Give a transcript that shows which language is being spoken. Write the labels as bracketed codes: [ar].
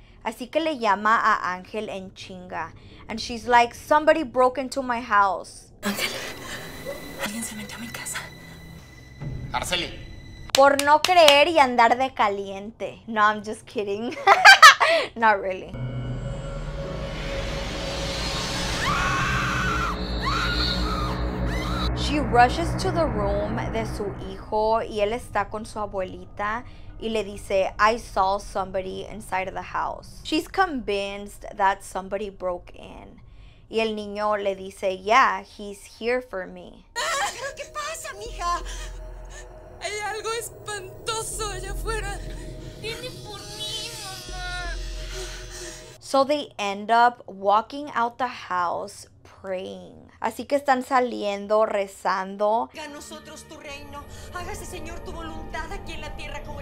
[es] Así que le llama a Ángel en chinga. [en] And she's like, somebody broke into my house. [es] Ángel, alguien se metió a mi casa. Araceli. Por no creer y andar de caliente. No, [en] I'm just kidding. Not really. She rushes to the room [es] de su hijo y él está con su abuelita y le dice, [en] I saw somebody inside of the house. She's convinced that somebody broke in. [es] Y el niño le dice, [en] yeah, he's here for me. [es] ¿Pero qué pasa, mija? Hay algo espantoso allá afuera. Viene por mí, mamá. [en] So they end up walking out the house, [es] praying. Así que están saliendo, rezando. Haga nosotros tu reino. Hágase, Señor, tu voluntad aquí en la tierra como...